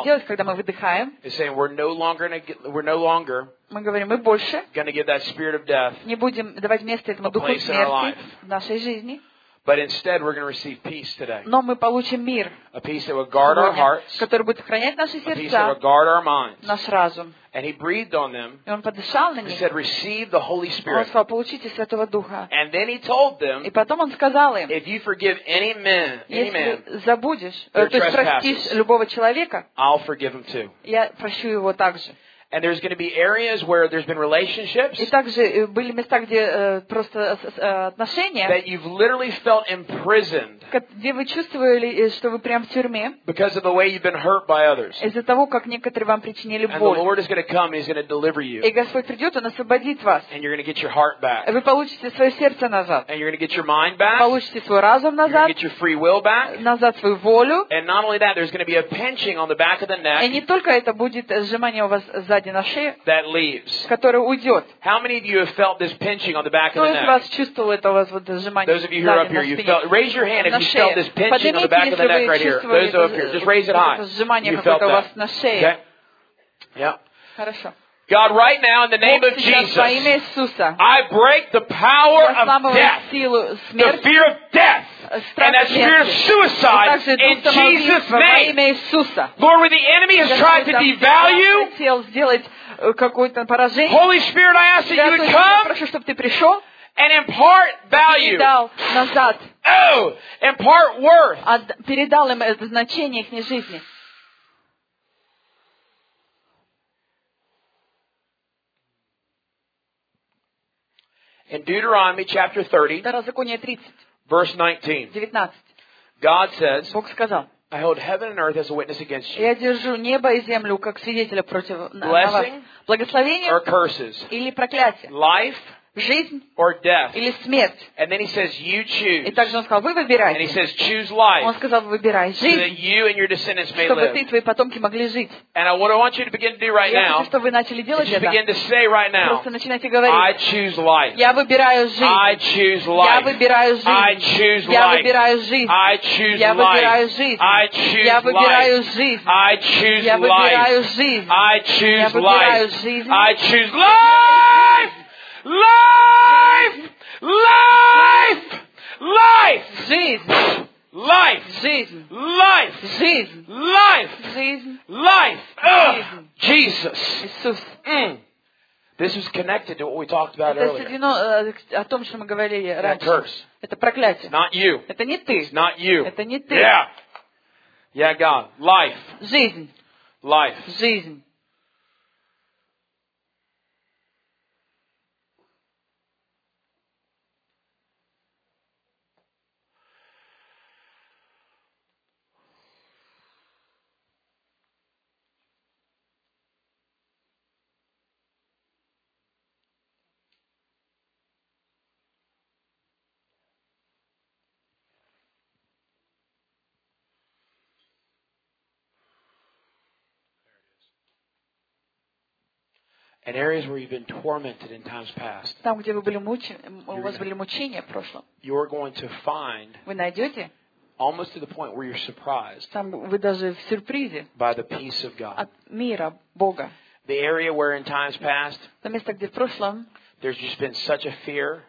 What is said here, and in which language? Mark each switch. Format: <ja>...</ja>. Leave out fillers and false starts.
<ru>Что мы делаем, когда мы выдыхаем?</ru> <en>Is saying we're no longer.</en> <ru>Мы говорим, мы больше.</ru> <en>Gonna give that spirit of death.</en> <ru>Не будем давать место этому духу смерти в нашей жизни.</ru> <en>But instead, we're going to receive peace today.</en> <ru>Но мы получим мир.</ru> <en>A peace that will guard our hearts.</en> <ru>Который будет хранить наши сердца.</ru> <en>A peace that will guard our minds.</en> <ru>Наш разум.</ru> <en>And he breathed on them.</en> <ru>И он подышал на них.</ru> <en>He said, "Receive the Holy Spirit."</en> <ru>Он сказал, получите Святого Духа.</ru> <en>And then he told them.</en> <ru>И потом он сказал им.</ru> <en>If you forgive any man,</en> <ru>забудешь, то есть простишь любого человека.</ru> <en>I'll forgive him too.</en> <ru>Я прощу его также.</ru> <en>And there's going to be areas where there's been relationships.</en> <ru>И также были места, где просто отношения.</ru> <en>That you've literally felt imprisoned.</en> <ru>Где вы чувствовали, что вы прям в тюрьме.</ru> <en>Because of the way you've been hurt by others.</en> <ru>Из-за того, как некоторые вам причинили боль.</ru> <en>And the Lord is going to come, He's going to deliver you.</en> <ru>И Господь придет, Он освободит вас.</ru> <en>And you're going to get your heart back.</en> <ru>Вы получите свое сердце назад.</ru> <en>And you're going to get your mind back.</en> <ru>Получите свой разум назад.</ru> <en>You're going to get your free will back.</en> <ru>Назад свою волю.</ru> <en>And not only that, there's going to be a pinching on the back of the neck.</en> <ru>И не только это будет сжимание у вас сзади.</ru> <en>That leaves.</en> <ru>Который уйдет.</ru> <en>How many of you have felt this pinching on the back of the neck?</en> <ru>Кто из вас чувствовал это у вас вот сжимание?</ru> <en>Those of you who are up here, you felt. Raise your hand if you felt this pinching</en> <ru>поднимите,</ru> <en>on the back of the neck right here. Those up here, just raise it high.</en> <ru>Сжимание какое-то у вас на шее.</ru> <en>Okay. Yeah.</en> <ru>Хорошо.</ru> <en>God, right now, in the name of Jesus, I break the power of death, the fear of death, and that spirit of suicide in Jesus' name. Lord, where the enemy has tried to devalue, Holy Spirit, I ask that you would come and impart value. Oh, impart worth. In Deuteronomy chapter 30, verse 19, God says, I hold heaven and earth as a witness against you.</en> <ru>Я держу небо и землю как свидетеля против вас.</ru> <en>Blessing or curses?</en> <ru>Или проклятие?</ru> <en>Life?</en> <ru>жизнь</ru> <en>or death.</en> <ru>Или смерть.</ru> <en>And then he says, you choose.</en> <ru>И также он сказал, вы выбирайте.</ru> <en>And he says, choose life.</en> <ru>Он сказал, выбирай жизнь,</ru> <en>so that you and your descendants may</en> <ru>чтобы</ru> <en>live.</en> <ru>Ты и твои потомки могли жить.</ru> <en>And what I want you to begin to do right now,</en> <ru>я хочу, чтобы вы начали делать это.</ru> <en>Just begin to say right now,</en> <ru>просто начинайте говорить,</ru> <en>I choose life.</en> <ru>Я выбираю жизнь.</ru> <en>I choose life.</en> <ru>Я выбираю жизнь.</ru> <en>I choose life.</en> <ru>Я выбираю жизнь.</ru> <en>I choose life.</en> <ru>Я выбираю жизнь.</ru> <en>I choose life.</en> <ru>Я выбираю жизнь.</ru> <en>I choose life.</en> <ru>Я выбираю жизнь. Я выбираю жизнь.</ru> <en>I choose life. Life! Life! Life!</en> <ru>Жизнь!</ru> <en>Life!</en> <ru>Жизнь!</ru> <en>Life!</en> <ru>Жизнь!</ru> <en>Life!</en> <ru>Жизнь!</ru> <en>Life! Ugh. Jesus!</en> <ru>Иисус!</ru> <en>This is connected to what we talked about earlier.</en> <ru>Это соединено о том, что мы говорили раньше.</ru> <en>Curse.</en> <ru>Это проклятие.</ru> <en>Not you.</en> <ru>Это не ты.</ru> <en>It's not you.</en> <ru>Это не ты.</ru> <en>Yeah! Yeah, God. Life!</en> <ru>Жизнь!</ru> <en>Life!</en> <ru>Жизнь!</ru> <en>In areas where you've been tormented in times past,</en> <ru>там, где вы были у вас были мучения в прошлом,</ru> <en>you're going to find,</en> <ru>вы найдете,</ru> <en>almost to the point where you're surprised,</en> <ru>там, вы даже в сюрпризе,</ru> <en>by the peace of God,</en> <ru>от мира Бога.</ru> <en>The area where in times past,</en> <ru>то место, где в прошлом,</ru> <en>there's just been such a fear,</en>